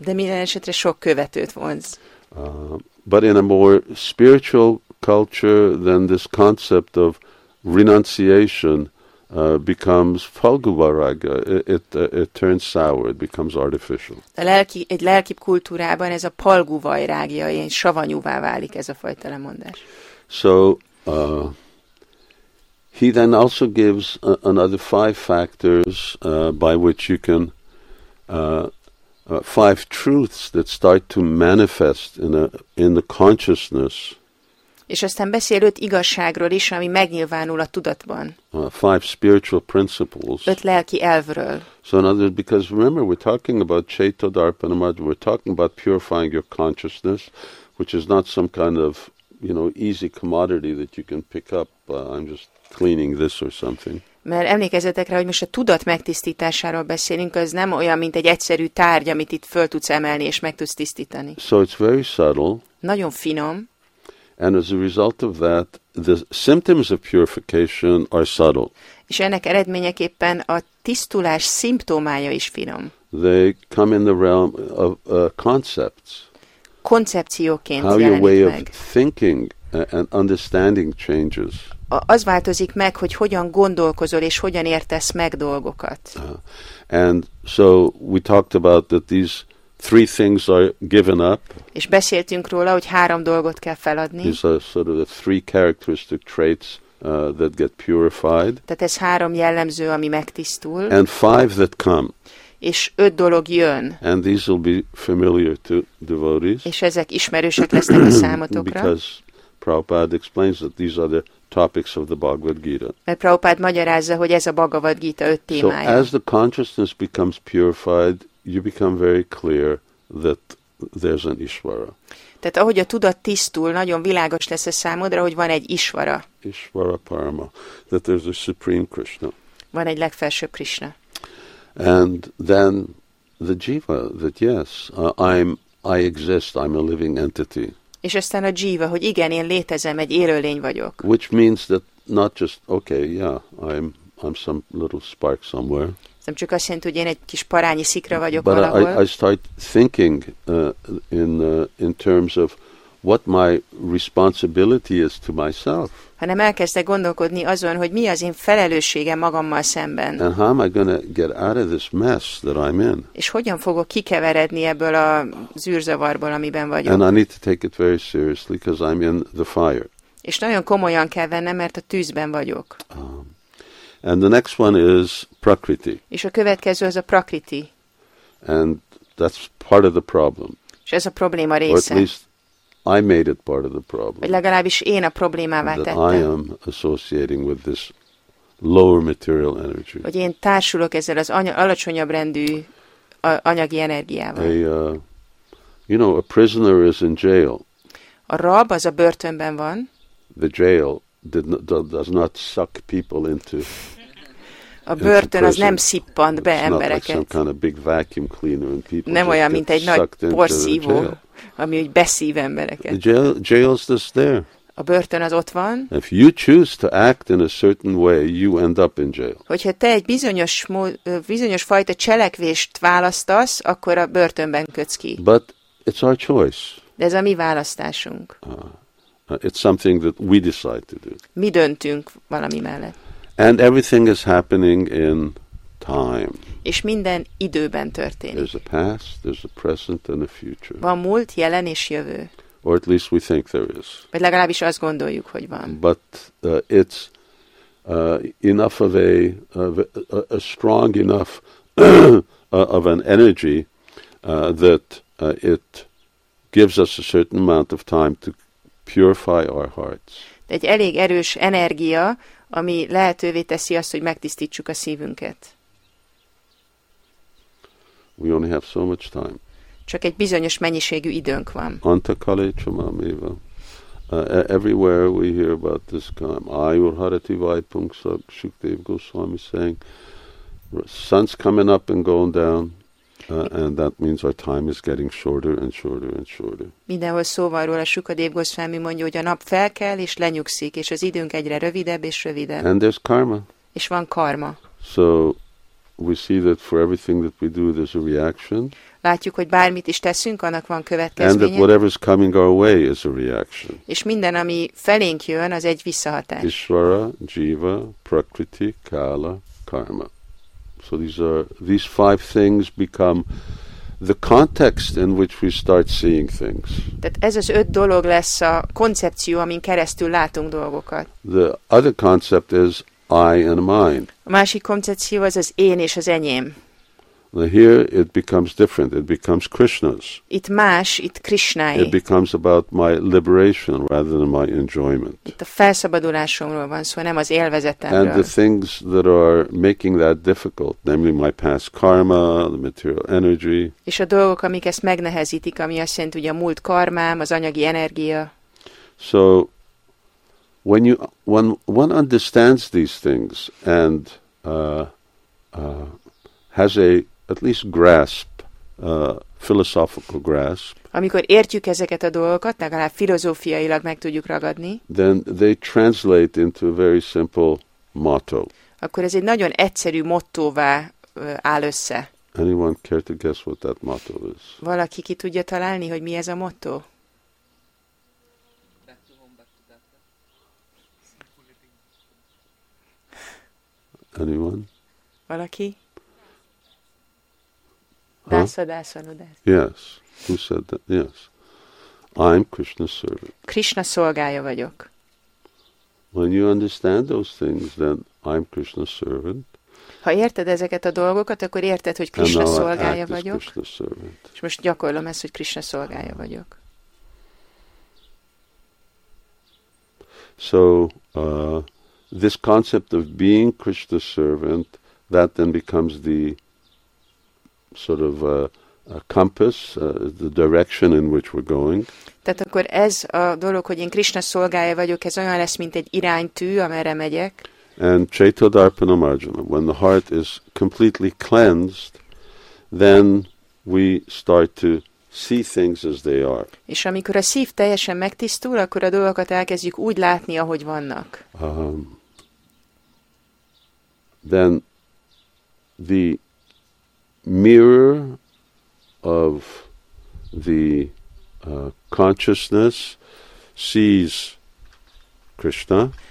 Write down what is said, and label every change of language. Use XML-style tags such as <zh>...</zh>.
<hu>De minden esetre sok követőt vonz.</hu> <en>But in a more spiritual culture, then this concept of renunciation becomes phalguvaraga. It turns sour. It becomes artificial.</en> <hu>Egy lelki kultúrában ez a phalguvairágja, ilyen savanyúvá válik ez a fajta lemondás.</hu> <en>So he then also gives another 5 factors by which you can. 5 truths that start to manifest in the consciousness.</en> <hu>És aztán beszél 5 igazságról is, ami megnyilvánul a tudatban.</hu> <en>5 spiritual principles.</en> <hu>5 lelki elvről.</hu> <en>So in other words, because remember, we're talking about Chaito Darpana Marga, we're talking about purifying your consciousness, which is not some kind of, you know, easy commodity that you can pick up. I'm just cleaning this or something.</en> <hu>Mert emlékezzetek rá, hogy most a tudat megtisztításáról beszélünk, az nem olyan, mint egy egyszerű tárgy, amit itt föl tudsz emelni és meg tudsz tisztítani.</hu> <en>So it's very subtle.</en> <hu>Nagyon finom.</hu> <en>And as a result of that, the symptoms of purification are subtle.</en> <hu>És ennek eredményeképpen a tisztulás szimptomája is finom.</hu> <en>They come in the realm of concepts.</en> <hu>Koncepcióként jelenik meg.</hu> <en>How your way of thinking and understanding changes.</en> <hu>Az változik meg, hogy hogyan gondolkozol és hogyan értesz meg dolgokat.</hu> <en>And so we talked about that these 3 things are given up.</en> <hu>És beszéltünk róla, hogy 3 dolgot kell feladni.</hu> <en>These are sort of the 3 characteristic traits that get purified.</en> <hu>Tehát ez 3 jellemző, ami megtisztul.</hu> <en>And 5 that come.</en> <hu>És 5 dolog jön.</hu> <en>And these will be familiar to devotees.</en> <hu>És ezek ismerősek lesznek a számotokra.</hu> <en>Because Prabhupada explains that these are the topics of the Bhagavad Gita.</en> <hu>Mert Prabhupada magyarázza, hogy ez a Bhagavad Gita 5 témája.</hu> <en>So as the consciousness becomes purified, you become very clear that there's an Ishvara.</en> <hu>Tehát ahogy a tudat tisztul, nagyon világos lesz a számodra, hogy van egy Ishvara.</hu> <en>Ishvara Parama, that there's a Supreme Krishna.</en> <hu>Van egy legfelsőbb Krishna.</hu> <en>And then the jiva, that yes, I exist, I'm a living entity.</en> <hu>És aztán a jiva, hogy igen, én létezem, egy élőlény vagyok.</hu> <en>Which means that not just, okay, yeah, I'm some little spark somewhere.</en> <hu>Nem csak azt jelenti, hogy én egy kis parányi szikra vagyok</hu> <en>but</en> <hu>valahol.</hu> <en>But I start thinking in terms of what my responsibility is to myself.</en> <hu>Hanem elkezdek gondolkodni azon, hogy mi az én felelősségem magammal szemben.</hu> <en>And how am I going to get out of this mess that I'm in?</en> <hu>És hogyan fogok kikeveredni ebből a zűrzavarból, amiben vagyok?</hu> <en>And I need to take it very seriously because I'm in the fire.</en> <hu>És nagyon komolyan kell vennem, mert a tűzben vagyok.</hu> <en>And the next one is prakriti.</en> <hu>És a következő az a prakriti.</hu> <en>And that's part of the problem.</en> <hu>És ez a probléma része.</hu> <en>Or at least I made it part of the problem.</en> <hu>Vagy legalábbis én a problémává</hu> <en>that</en> <hu>tettem.</hu> <en>I am associating with this lower material energy.</en> <hu>Hogy én társulok ezzel az alacsonyabb rendű anyagi energiával.</hu> <en>A prisoner is in jail.</en> <hu>A rab az a börtönben van.</hu> <en>The jail does not suck people into.</en> <hu>A börtön az nem szippant be embereket.</hu> <en>Like some kind of big vacuum cleaner and people.</en> <hu>Nem olyan, mint egy nagy porszívó, ami úgy beszív embereket.</hu> <en>Jail's just there.</en> <hu>A börtön az ott van.</hu> <en>If you choose to act in a certain way, you end up in jail.</en> <hu>Hogyha te egy bizonyos fajta cselekvést választasz, akkor a börtönben kötsz ki.</hu> <en>But it's our choice.</en> <hu>De ez a mi választásunk.</hu> <en>It's something that we decide to do.</en> <hu>Mi döntünk valami mellett.</hu> <en>And everything is happening in time.</en> <hu>És minden időben történik.</hu> <en>There's a past, there's a present, and a future.</en> <hu>Van múlt, jelen és jövő.</hu> <en>Or at least we think there is.</en> <hu>Vagy legalábbis azt gondoljuk, hogy van.</hu> <en>But it's enough of a strong enough of an energy that it gives us a certain amount of time to purify our hearts.</en> <hu>De egy elég erős energia, ami lehetővé teszi azt, hogy megtisztítsuk a szívünket.</hu> <en>We only have so much time.</en> <hu>Csak egy bizonyos mennyiségű időnk van.</hu> <sa>Antakale chamameva.</sa> <en>Everywhere we hear about this time.</en> <sa>Ayurharati vaipung</sa> <en>sukdev goswami saying sun's coming up and going down. And that means our time is getting shorter and shorter and shorter.</en> <hu>Mindenhol szó van róla, Sukadev Goswami mondja, hogy a nap felkel és lenyugszik, és az időnk egyre rövidebb és rövidebb.</hu> <en>And there's karma.</en> <hu>És van karma.</hu> <en>So we see that for everything that we do, there's a reaction.</en> <hu>Látjuk, hogy bármit is teszünk, annak van következménye.</hu> <en>And that whatever is coming our way is a reaction.</en> <hu>És minden, ami felénk jön, az egy visszahatás.</hu> <sa>Ishvara, Jiva, Prakriti, Kala, Karma.</sa> <en>So these five things become the context in which we start seeing things.</en> <hu>Tehát ez az öt dolog lesz a koncepció, amin keresztül látunk dolgokat.</hu> <en>The other concept is I and mine.</en> <hu>A másik koncepció az az én és az enyém.</hu> <en>Now here it becomes different. It becomes Krishna's.</en> <hu>Itt más, itt Krishnáé.</hu> <en>It becomes about my liberation rather than my enjoyment.</en> <hu>Itt a felszabadulásomról van szó, nem az élvezetemről.</hu> <en>And the things that are making that difficult, namely my past karma, the material energy.</en> <hu>És a dolgok, amik ezt megnehezítik, ami azt jelenti, hogy a múlt karmám, az anyagi energia.</hu> <en>So when one understands these things and has a at least grasp, philosophical grasp.</en> <hu>Amikor értjük ezeket a dolgokat, legalább filozófiailag meg tudjuk ragadni.</hu> <en>Then they translate into a very simple motto.</en> <hu>Akkor ez egy nagyon egyszerű mottóvá áll össze.</hu> <en>Anyone care to guess what that motto is?</en> <hu>Valaki ki tudja találni, hogy mi ez a motto?</hu> <en>Anyone?</en> <hu>Valaki?</hu> <en>Huh? Yes. Who said that? Yes. I'm Krishna's servant.</en> <hu>Krishna szolgája vagyok.</hu> <en>When you understand those things, then I'm Krishna's servant.</en> <hu>Ha érted ezeket a dolgokat, akkor érted, hogy Krishna szolgája vagyok.</hu> <en>And now I act as Krishna's servant.</en> <hu>És most gyakorlom ezt, hogy Krishna szolgája vagyok.</hu> <en>So, this concept of being Krishna's servant, that then becomes the sort of a compass, the direction in which we're going.</en> <hu>Tehát akkor ez a dolog, hogy én Krishna szolgája vagyok, ez olyan lesz, mint egy iránytű, amerre megyek.</hu> <en>And Chaito Darpanam Arjuna, when the heart is completely cleansed, then we start to see things as they are.</en> <hu>És amikor a szív teljesen megtisztul, akkor a dolgokat elkezdjük úgy látni, ahogy vannak.</hu> <en>Then the mirror of the consciousness sees Krishna.</en>